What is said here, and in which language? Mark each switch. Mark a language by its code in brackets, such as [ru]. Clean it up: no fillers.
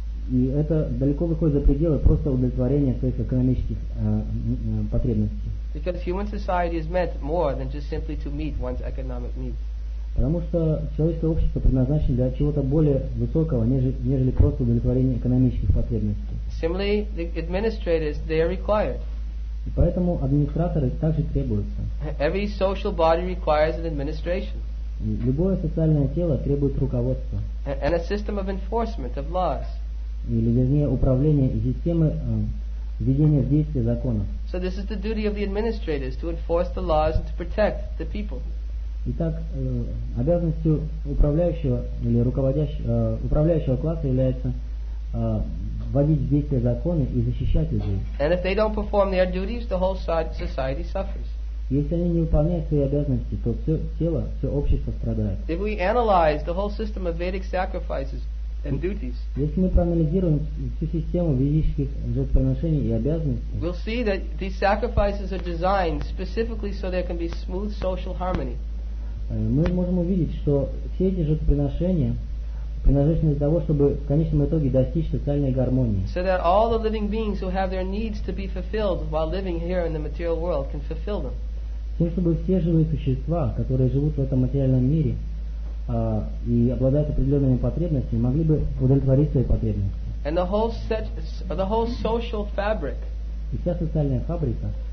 [ru] И это далеко выходит за пределы просто удовлетворения своих экономических потребностей. [en] Because human society is meant more than just simply to meet one's economic needs. [ru] Потому что человеческое общество предназначено для чего-то более высокого, нежели просто удовлетворение экономических потребностей. [en] Similarly, the administrators, they are required. [ru] И поэтому администраторы также требуются. [en] Every social body requires an administration. [ru] И любое социальное тело требует руководства. [en] And a system of enforcement of laws. [ru] Или, вернее, управление и системы введения в действие законов. [en] So this is the duty of the administrators to enforce the laws and to protect the people. [ru] Итак, обязанностью управляющего или управляющего класса является вводить в действие законы и защищать людей. [en] And if they don't perform their duties, the whole society suffers. [ru] Если они не выполняют свои обязанности, то все тело, все общество страдает. [en] If we analyze the whole system of Vedic sacrifices and duties. [ru] Если мы проанализируем всю систему ведических жертвоприношений и обязанностей, [en] we'll see that these sacrifices are designed specifically so there can be smooth social harmony. [ru] Мы можем увидеть, что все эти жертвоприношения предназначены для того, чтобы в конечном итоге достичь социальной гармонии. [en] So that all the living beings who have their needs to be fulfilled while living here in the material world can fulfill them. [ru] Тем, чтобы все живые существа, которые живут в этом материальном мире, и обладают определенными потребностями, могли бы удовлетворить свои потребности. [en] And the whole social fabric. [ru] И вся социальная фабрика.